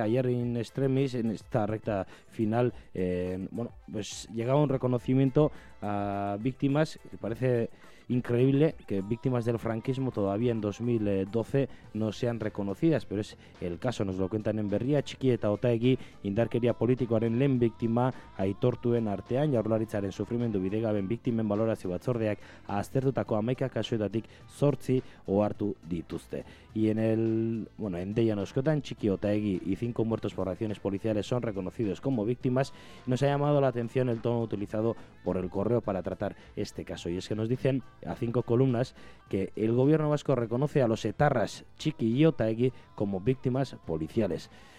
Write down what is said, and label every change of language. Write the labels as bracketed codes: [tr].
[es] Ayer in extremis, en esta recta final, bueno, pues llegaba un reconocimiento a víctimas, que parece increíble que víctimas del franquismo todavía en 2012 no sean reconocidas, pero es el caso, nos lo cuentan en Berria. [eu] Txiki eta Otaegi indarkeria politikoaren lehen biktima aitortuen artean, Jaurlaritzaren sufrimendu bidegaben biktimen balorazio batzordeak aztertutako 11 kasuetatik 8 ohartu dituzte. [es] Y en el, bueno, en Deia nos cuentan: Txiki Otaegi y 5 muertos por acciones policiales son reconocidos como víctimas. Nos ha llamado la atención el tono utilizado por El Correo para tratar este caso, y es que nos dicen a 5 columnas que el gobierno vasco reconoce a los etarras Txiki y Otaegi como víctimas policiales.